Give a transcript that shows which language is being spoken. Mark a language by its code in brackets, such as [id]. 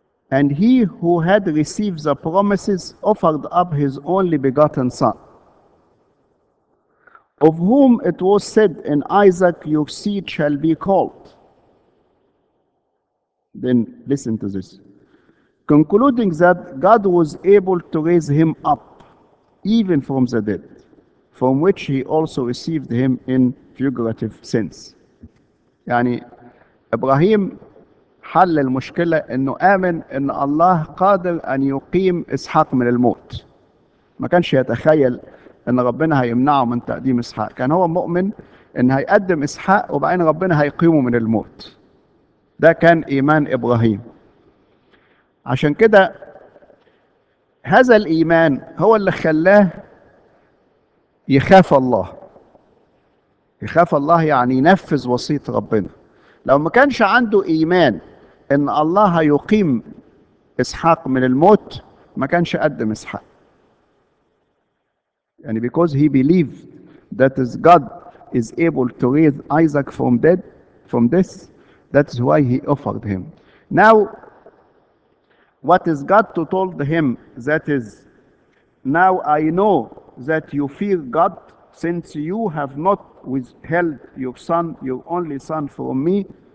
[en] And he who had received the promises offered up his only begotten son, of whom it was said, in Isaac your seed shall be called. Then listen to this. Concluding that God was able to raise him up, even from the dead, from which he also received him in figurative sense. [ar] Yani, Ibrahim حل المشكلة انه آمن ان الله قادر ان يقيم إسحاق من الموت. ما كانش يتخيل ان ربنا هيمنعه من تقديم إسحاق. كان هو مؤمن ان هيقدم إسحاق وبعدين ربنا هيقيمه من الموت. ده كان إيمان إبراهيم. عشان كده هذا الإيمان هو اللي خلاه يخاف الله. يخاف الله يعني ينفذ وصية ربنا. لو ما كانش عنده إيمان إن الله يقيم إسحاق من الموت ما كانش قدم إسحاق. [en] يعني because he believed that is God is able to raise Isaac from dead, from this, that's why he offered him. Now, what is God to told him? That is, now I know that you fear God, since you have not withheld your son, your only son from me.